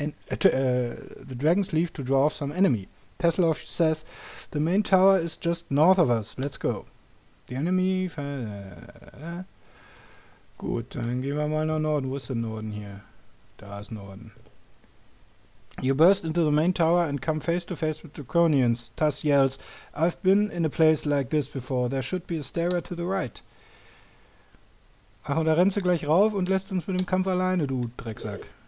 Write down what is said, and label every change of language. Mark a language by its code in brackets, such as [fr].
[en] The dragons leave to draw off some enemy. Tesselhoff says, the main tower is just north of us. Let's go. The enemy fire. [de] Gut, dann gehen wir mal nach Norden. Wo ist der Norden hier? Da ist Norden. [en] You burst into the main tower and come face to face with the Draconians. Tass yells, I've been in a place like this before. There should be a stairway to the right. [de] Ach, und da rennst du gleich rauf und lässt uns mit dem Kampf alleine, du Drecksack.